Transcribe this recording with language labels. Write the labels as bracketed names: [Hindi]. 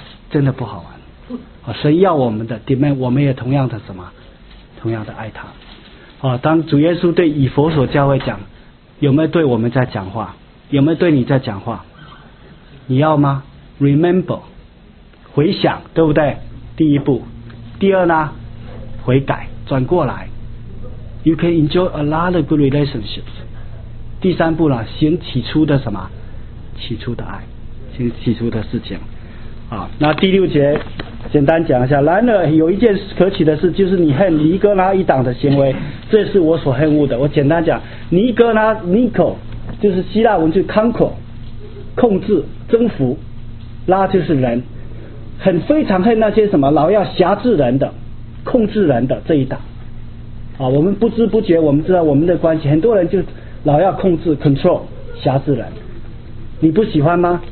[Chinese] 真的不好玩。神要我们的 demand， 我们也同样的什么同样的爱他。当主耶稣对以弗所教会讲，有没有对我们在讲话？有没有对你在讲话？你要吗？ remember 回想，对不对？第一步。第二呢，悔改转过来。 [English] You can enjoy a lot of good relationships。 [Chinese] 第三步呢，先起初的什么起初的爱，先起初的事情啊。那第六节简单讲一下，然而有一件可取的事，就是你恨尼哥拉一党的行为，这是我所恨恶的。我简单讲，尼哥拉 Nico 就是希腊文，就是 conquer 控制征服，拉就是人，很非常恨那些什么老要辖制人的控制人的这一党啊，我们不知不觉我们知道我们的关系，很多人就老要控制 control 辖制人，你不喜欢吗？